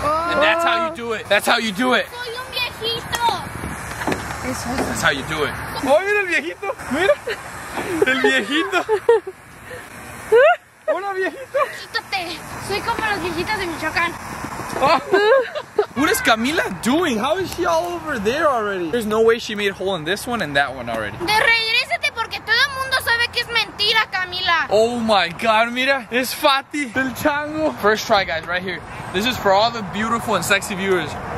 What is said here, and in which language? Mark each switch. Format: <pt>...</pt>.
<en>And that's how you do it. That's how you do it.</en> <es>Soy un viejito. Eso.</es> <en>That's how you do it.</en> <es>Oh, mira el viejito. Mira. El viejito. Hola, viejito. Quítate. Soy como los viejitos de Michoacán.</es> <en>What is Camila doing? How is she all over there already? There's no way she made a hole in this one and that one already.</en> <es>De regresate porque todo el mundo sabe que es mentira, Camila.</es> <en>Oh my God,</en> <es>mira. Es Fati. El chango.</es> <en>First try, guys, right here. This is for all the beautiful and sexy viewers.</en>